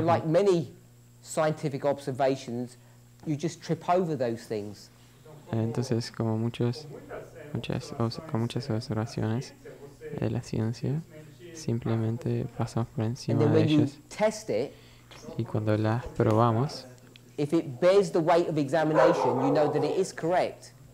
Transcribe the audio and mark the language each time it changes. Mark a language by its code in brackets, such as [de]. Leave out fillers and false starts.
[en] So like many scientific observations, you just trip over those things. [es] Entonces, como muchas observaciones de la ciencia, simplemente pasamos por encima de ellas. [en] Test it, [es] y cuando las probamos, [en] if it bears the weight of examination, you know that it is correct.